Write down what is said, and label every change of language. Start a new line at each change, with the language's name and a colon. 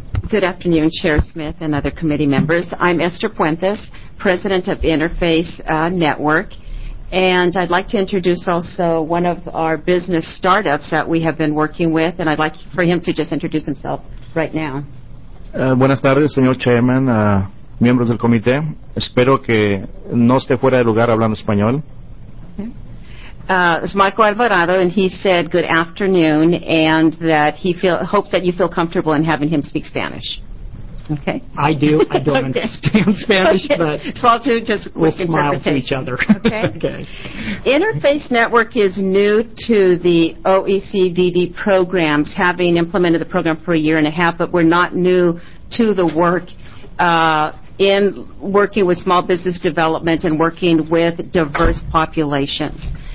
English: Good afternoon, Chair Smith and other committee members. I'm Esther Puentes, President of Interface Network, and I'd like to introduce also one of our business startups that we have been working with, and I'd like for him to just introduce himself right now.
Spanish: Buenas tardes, señor chairman, miembros del comité. Espero que no esté fuera de lugar hablando español.
English: It's Michael Alvarado, and he said good afternoon, and that he hopes that you feel comfortable in having him speak Spanish. Okay. I do. I don't okay. understand Spanish, okay. but so I'll do just we'll smile to each other. Okay. Interface Network is new to the OECDD programs, having implemented the program for a year and a half, but we're not new to the work in working with small business development and working with diverse populations.